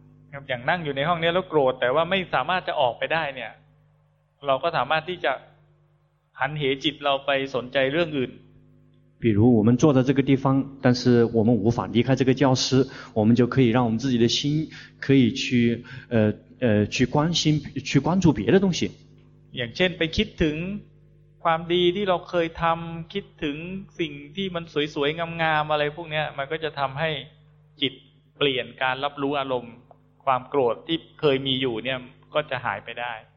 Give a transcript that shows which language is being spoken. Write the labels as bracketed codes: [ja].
[th] อย่างนั่งอยู่ในห้องเนี้ยแล้วโกรธแต่ว่าไม่สามารถจะออกไปได้เนี่ยเราก็สามารถที่จะหันเหจิตเราไปสนใจเรื่องอื่น [zh] 比如我们坐在这个地方但是我们无法离开这个教室我们就可以让我们自己的心可以去去关心去关注别的东西 [th] อย่างเช่นไปคิดถึงความดีที่เราเคยทำคิดถึงสิ่งที่มันสวยๆงามๆอะไรพวกนี้มันก็จะทำให้จิตเปลี่ยนการรับรู้อารมณ์ความโกรธที่เคยมีอยู่เนี่ยก็จะหายไปได้